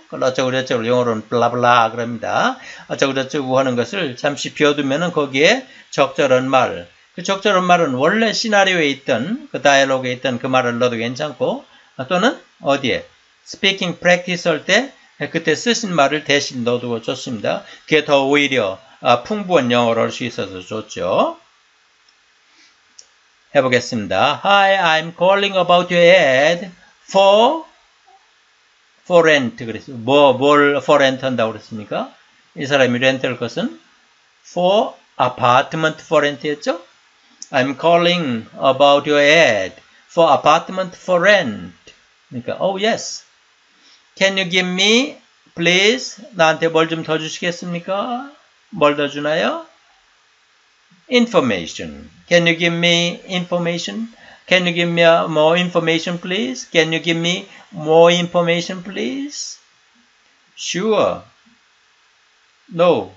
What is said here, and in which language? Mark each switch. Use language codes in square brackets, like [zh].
[ko] 그걸 어쩌고저쩌고 영어로는 블라블라 그럽니다. 어쩌고저쩌고 하는 것을 잠시 비워두면은 거기에 적절한 말, 그 적절한 말은 원래 시나리오에 있던 그 다이얼로그에 있던 그 말을 넣어도 괜찮고, 또는 어디에 스피킹 프랙티스 할때 그때 쓰신 말을 대신 넣어두고 좋습니다. 그게 더 오히려 풍부한 영어를 할수 있어서 좋죠. 해보겠습니다. [en] Hi, I'm calling about your ad for rent. [ko] 그래서 뭘 [en] for rent [ko] 한다고 그랬습니까? 이 사람이 렌트할 것은 [en] for apartment for rent [ko] 였죠? [en] I'm calling about your ad for apartment for rent. [ko] 그러니까, [en] oh yes. Can you give me, please? [ko] 나한테 뭘좀더 주시겠습니까? 뭘더 주나요? Information. [en] Can you give me information? Can you give me more information, please? Can you give me more information, please? Sure. No.